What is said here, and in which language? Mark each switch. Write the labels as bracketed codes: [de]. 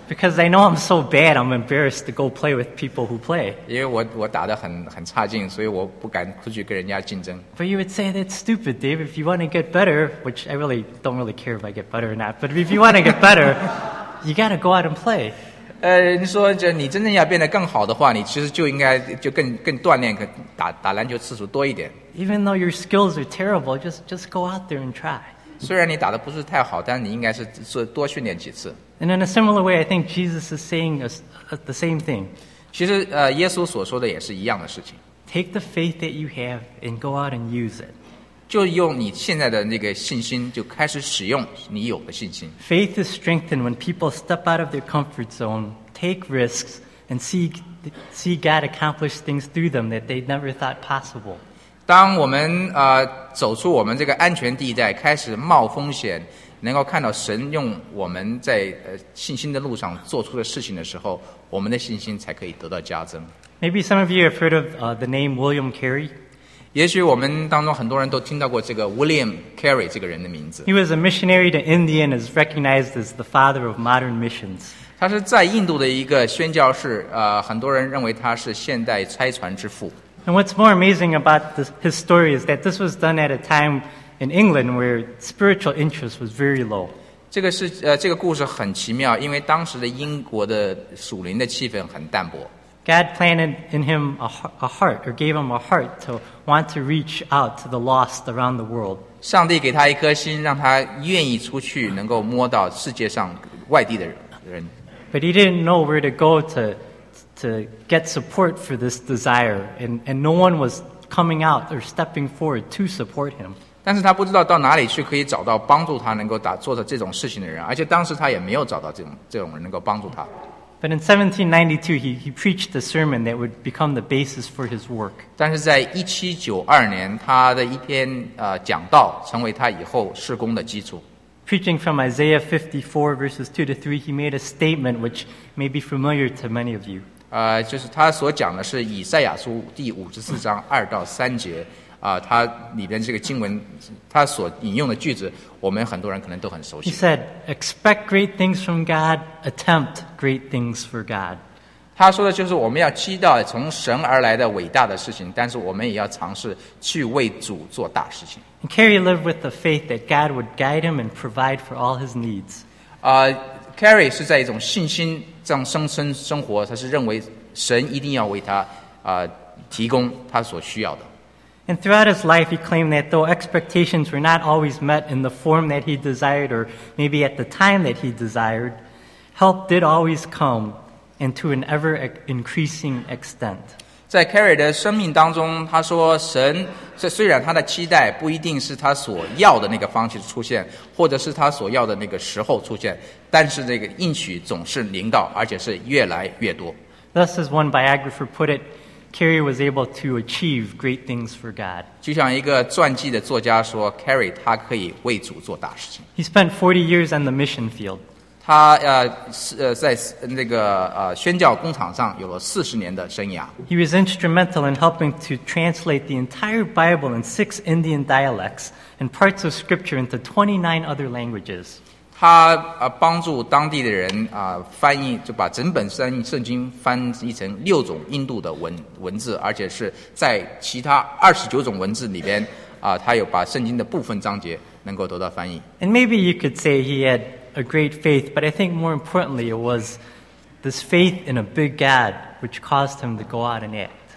[en] Because I know I'm so bad, I'm embarrassed to go play with people who play. [zh] 因为我打得很差劲，所以我不敢出去跟人家竞争。 [en] But you would say that's stupid, Dave. If you want to get better, which I really don't really care if I get better or not, but if you want to get better, you got to go out and play. [zh] 你说这你真正要变得更好的话，你其实就应该就更锻炼，打篮球次数多一点。 [en] Even though your skills are terrible, just go out there and try. [zh] 虽然你打得不是太好，但你应该是多训练几次。 [en] And in a similar way, I think Jesus is saying the same thing. [zh] 其实耶稣所说的也是一样的事情。 [en] Take the faith that you have and go out and use it. [zh] 就用你现在的那个信心，就开始使用你有的信心。 [en] Faith is strengthened when people step out of their comfort zone, take risks, and see God accomplish things through them that they never thought possible. [zh] 当我们走出我们这个安全地带，开始冒风险，能够看到神用我们在信心的路上做出的事情的时候，我们的信心才可以得到加增。 [en] Maybe some of you have heard of the name William Carey. [zh] 也许我们当中很多人都听到过这个 William Carey 这个人的名字。 [en] He was a missionary to India and is recognized as the father of modern missions. [zh] 他是在印度的一个宣教士，很多人认为他是现代拆船之父。 [en] And what's more amazing about his story is that this was done at a time in England where spiritual interest was very low. [zh] 这个故事很奇妙，因为当时的英国的属灵的气氛很淡薄。 [en] God planted in him a heart, or gave him a heart to want to reach out to the lost around the world. [zh] 上帝给他一颗心，让他愿意出去，能够摸到世界上外地的人。 [en] But he didn't know where to go to get support for this desire, and no one was coming out or stepping forward to support him. [zh] 但是他不知道到哪里去可以找到帮助他能够做到这种事情的人，而且当时他也没有找到这种人能够帮助他。 [en] But in 1792, he preached a sermon that would become the basis for his work. [zh] 但是在1792年，他的一篇讲道成为他以后事工的基础。 [en] Preaching from Isaiah 54 verses 2 to 3, he made a statement which may be familiar to many of you. [zh] 就是他所讲的是以赛亚书第54章2到3节，他里边这个经文，他所引用的句子，我们很多人可能都很熟悉。 [en] He said, "Expect great things from God. Attempt great things for God." [zh] 他说的就是我们要期待从神而来的伟大的事情，但是我们也要尝试去为主做大事情。 [en] And Carey lived with the faith that God would guide him and provide for all his needs. [zh] Carey 是在一种信心这样生活，他是认为神一定要为他提供他所需要的。 [en] And throughout his life, he claimed that though expectations were not always met in the form that he desired or maybe at the time that he desired, help did always come and to an ever increasing extent. [zh] 在 Carey 的生命当中，他说神，虽然他的期待不一定是他所要的那个方式出现，或者是他所要的那个时候出现，但是这个应许总是临到，而且是越来越多。 [en] Thus, as one biographer put it,Carey was able to achieve great things for God. [zh] 就像一个传记的作家说 ，Carey 他可以为主做大事情。 [en] He spent 40 years on the mission field. [zh] 他在那个宣教工厂上有了40年的生涯。 [en] He was instrumental in helping to translate the entire Bible in 6 Indian dialects and parts of Scripture into 29 other languages. [zh] 他帮助当地的人翻译，就把整本圣经翻译成六种印度的文字，而且是在其他29种文字里边他有把圣经的部分章节能够得到翻译。 [en] And maybe you could say he had a great faith, but I think more importantly it was this faith in a big God which caused him to go out and act.